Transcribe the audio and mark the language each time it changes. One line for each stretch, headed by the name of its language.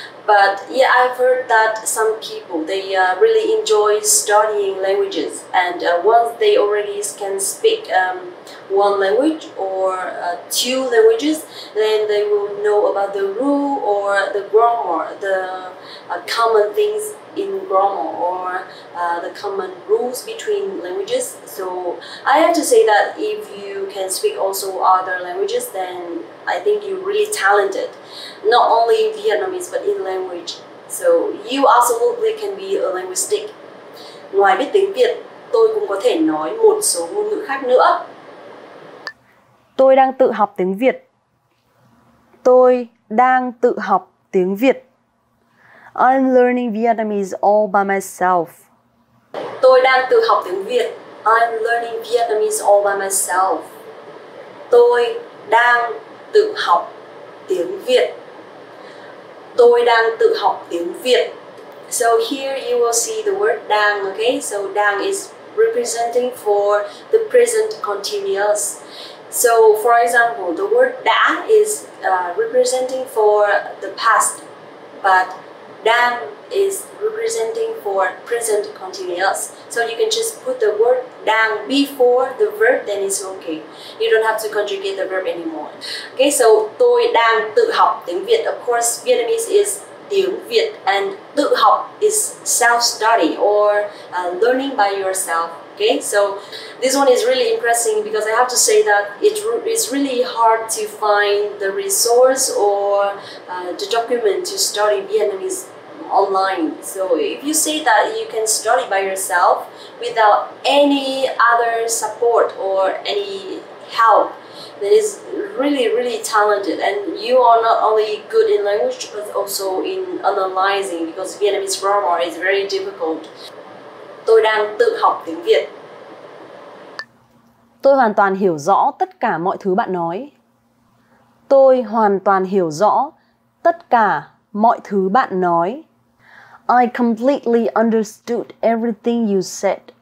English: But yeah, I've heard that some people, they really enjoy studying languages, and once they already can speak one language or two languages, then they will know about the rule or the grammar, the common things in grammar or the common rules between languages. So I have to say that if you can speak also other languages, then I think you're really talented, not only in Vietnamese but in language So you absolutely can be a linguistic.
Vietnamese: Ngoài biết tiếng Việt, tôi cũng có thể nói một số ngôn ngữ khác nữa. Tôi đang tự học tiếng Việt. Tôi đang tự học tiếng Việt.
English: I'm learning Vietnamese all by myself.
Vietnamese: Tôi đang tự học tiếng Việt.
English: I'm learning Vietnamese all by myself.
Vietnamese: Tôi đang tự học tiếng Việt. Tôi đang tự học tiếng Việt.
English: So here you will see the word đang, okay? So đang is representing for the present continuous. So for example, the word đã is representing for the past, but đang is representing for present continuous. So you can just put the word đang before the verb, then it's okay. You don't have to conjugate the verb anymore. Okay, so
Vietnamese: tôi đang tự học tiếng Việt.
English: Of course, Vietnamese is tiếng Việt, and tự học is self-study or learning by yourself. Okay, so this one is really interesting because I have to say that it's really hard to find the resource or the document to study Vietnamese online. So if you say that you can study by yourself without any other support or any help, that is really, really talented. And you are not only good in language, but also in analyzing, because Vietnamese grammar is very difficult.
Vietnamese: Tôi đang tự học tiếng Việt. Tôi hoàn toàn hiểu rõ tất cả mọi thứ bạn nói. Tôi hoàn toàn hiểu rõ tất cả mọi thứ bạn nói.
English: I completely understood everything you said.